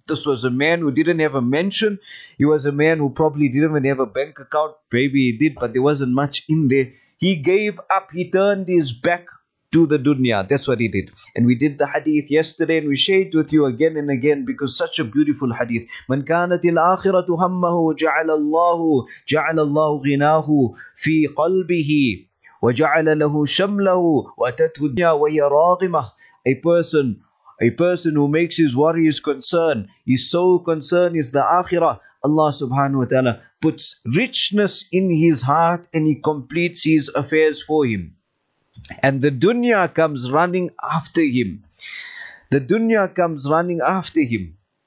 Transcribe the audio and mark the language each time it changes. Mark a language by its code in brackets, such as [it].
[en] This was a man who didn't have a mansion. He was a man who probably didn't even have a bank account. Maybe he did, but there wasn't much in there. He gave up. He turned his back to the dunya. That's what he did. And we did the hadith yesterday and we shared it with you again and again because such a beautiful hadith. [ar] من كانت الآخرة همه جعل الله غناه في قلبه وجعل له شمله واتته الدنيا وهي راغمة. [en] A person who makes his worries concern, his sole concern is the akhirah. Allah subhanahu wa ta'ala puts richness in his heart and he completes his affairs for him. And the dunya comes running after him. The dunya comes running after him.